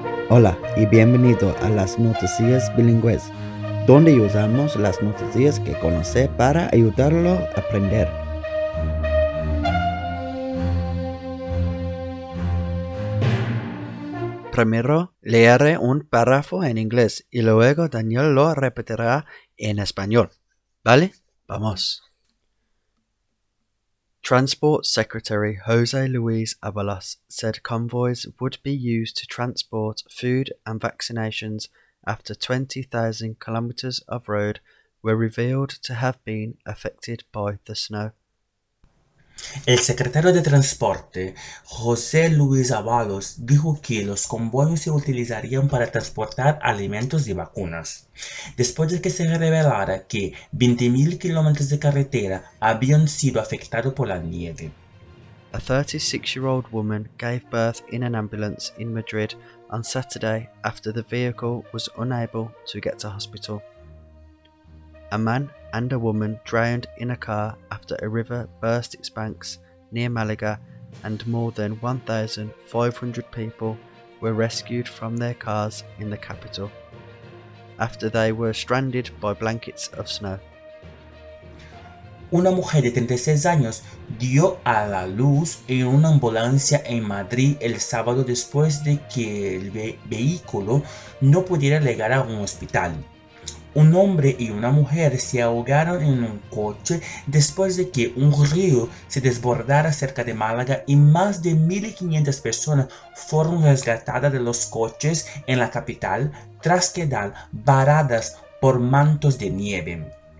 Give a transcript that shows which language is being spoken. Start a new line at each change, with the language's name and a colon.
Spanish: Hola y bienvenido a las noticias bilingües, donde usamos las noticias que conoce para ayudarlo a aprender. Primero, leeré un párrafo en inglés y luego Daniel lo repetirá en español. ¿Vale? Vamos.
English: Transport Secretary José Luis Ábalos said convoys would be used to transport food and vaccinations after 20,000 kilometers of road were revealed to have been affected by the snow.
Spanish: El secretario de Transporte, José Luis Ábalos, dijo que los convoyes se utilizarían para transportar alimentos y vacunas, después de que se revelara que 20,000 kilómetros de carretera habían sido afectados por la nieve.
English: A 36-year-old woman gave birth in an ambulance in Madrid on Saturday after the vehicle was unable to get to hospital. A man and a woman drowned in a car after a river burst its banks near Malaga, and more than 1,500 people were rescued from their cars in the capital after they were stranded by blankets of snow.
Spanish: Una mujer de 36 años dio a la luz en una ambulancia en Madrid el sábado después de que el vehículo no pudiera llegar a un hospital. Un hombre y una mujer se ahogaron en un coche después de que un río se desbordara cerca de Málaga y más de 1,500 personas fueron rescatadas de los coches en la capital tras quedar varadas por mantos de nieve.